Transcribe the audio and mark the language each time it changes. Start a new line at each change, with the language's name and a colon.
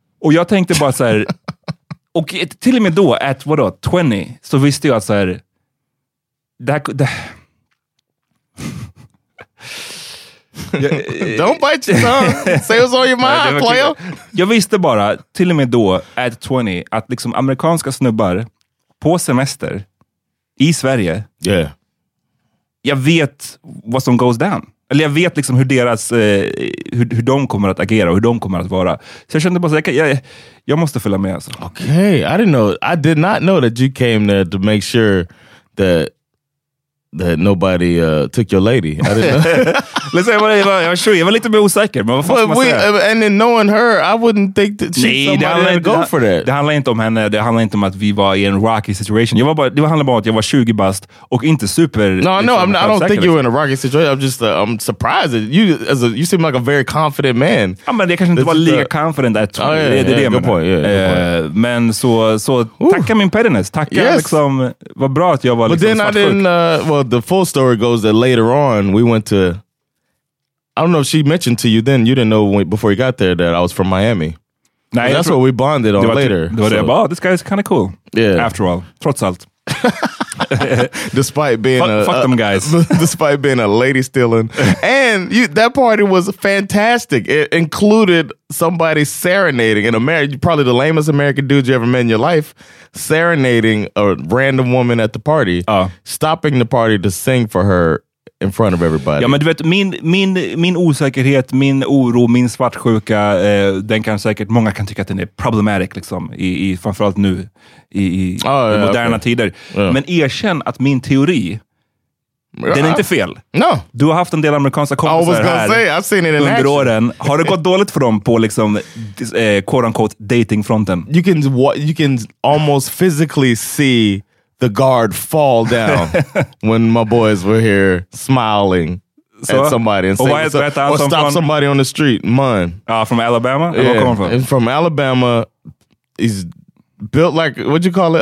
Swedish: Och jag tänkte bara så här, och till och med då, at vadå, 20, så visste jag att så här, det
English: don't bite your tongue. Say what's on your mind, player.
Swedish: Jag visste bara, till och med då, at 20, att liksom amerikanska snubbar på semester i Sverige,
English: yeah.
Swedish: jag vet vad som
English: goes down.
Swedish: Eller jag vet liksom hur deras hur de kommer att agera och hur de kommer att vara. Så jag kände bara så jag måste följa med alltså.
English: Okay, I didn't know. I did not know that you came there to make sure that nobody took your lady. I didn't know. Let's say
Swedish: jag var
English: sure.
Swedish: Jag var lite mer osäker, men vad fan ska man säga?
English: And then knowing her, I wouldn't think that she'd go for that.
Swedish: Det handlar inte om henne. Det handlar inte om att vi var i en
English: rocky situation.
Swedish: Jag var bara, det handlar bara om att jag var 20 bast och inte super.
English: No,
Swedish: liksom,
English: no, I'm not, I don't think you were in a rocky situation. I'm just I'm surprised. You seem like a very confident man.
Swedish: Ja, men det kanske inte var lika confident att det är det. Men så tacka min pettiness. Tacka liksom, vad bra att jag var liksom.
English: But then I didn't well, the full story goes that later on we went to, I don't know if she mentioned to you then, you didn't know before you got there that I was from Miami. Nah, that's what we bonded on later. This guy is kind of cool. Yeah. After all.
Swedish: Trots allt.
English: Despite being fuck them guys. Despite being a lady stealing. And you, that party was fantastic. It included somebody serenading in a marriage, probably the lamest American dude you ever met in your life, serenading a random woman at the party, stopping the party to sing for her in front of everybody.
Swedish: Ja, men du vet, min osäkerhet, min oro, min svartsjuka, den kan säkert, många kan tycka att den är problematic liksom, i framförallt nu i moderna tider.
English: Yeah.
Swedish: Men erkänn att min teori, den är inte fel.
English: No.
Swedish: Du har haft en del amerikanska kompisar här under åren. Har det gått dåligt för dem på liksom
English: quote unquote
Swedish: dating fronten?
English: You can almost physically see the guard fall down when my boys were here smiling so, at somebody and saying, or stop somebody on the street, man. From Alabama? Yeah. Where coming from? And from Alabama, he's built like, what'd you call it?